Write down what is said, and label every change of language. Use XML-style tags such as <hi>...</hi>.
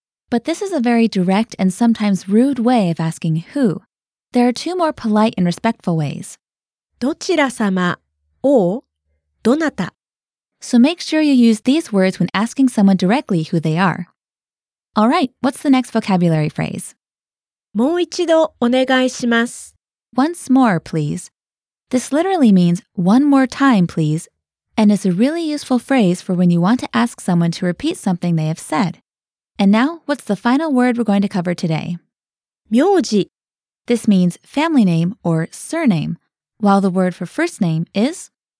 <en>But this is a very direct and sometimes rude way of asking who. There are two more polite and respectful ways.</en> <ja>どちら様 or どなた.</ja> <en>So make sure you use these words when asking someone directly who they are. All right, what's the next vocabulary phrase?</en> <ja>もう一度お願いします.</ja> <en>Once more, please. This literally means one more time, please. And it's a really useful phrase for when you want to ask someone to repeat something they have said. And now, what's the final word we're going to cover today?</en> <ja>名字</ja> <en>This means family name or surname, while the word for first name is</en>